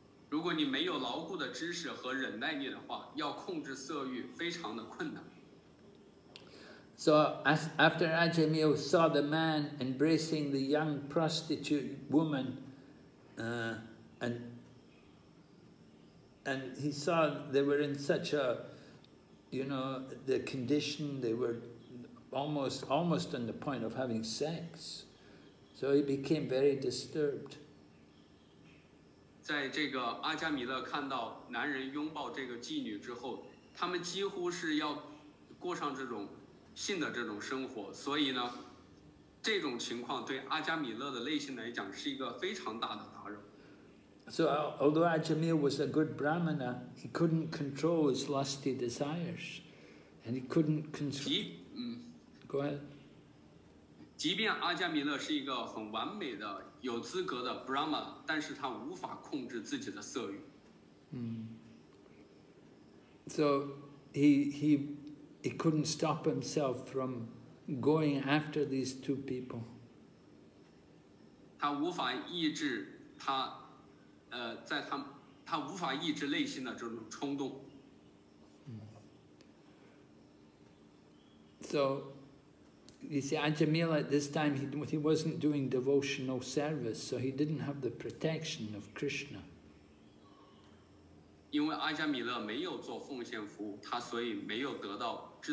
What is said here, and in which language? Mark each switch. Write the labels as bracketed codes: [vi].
[zh] 如果你没有牢固的知识和忍耐力的话，要控制色欲非常的困难。 [en] So after Ajamil saw the man embracing the young prostitute woman, and he saw they were in such a, you know, the condition, they were almost on the point of having sex. So he became very disturbed. [zh] 在这个阿加米勒看到男人拥抱这个妓女之后，他们几乎是要过上这种性的这种生活，所以呢，这种情况对阿加米勒的内心来讲是一个非常大的打扰。 [en] So although Ajamila was a good brahmana, he couldn't control his lusty desires, and he couldn't control. Go ahead. [zh] 即便阿加米勒是一个很完美的、有资格的 brahmana, 但是他无法控制自己的色欲。 [en] So he couldn't stop himself from going after these two people. [zh] 他无法抑制他，在他，他无法抑制内心的这种冲动。 [en] So, you see, Ajamila at this time he wasn't doing devotional service, so he didn't have the protection of Krishna. [zh] 因为阿加米勒没有做奉献服务，他所以没有得到。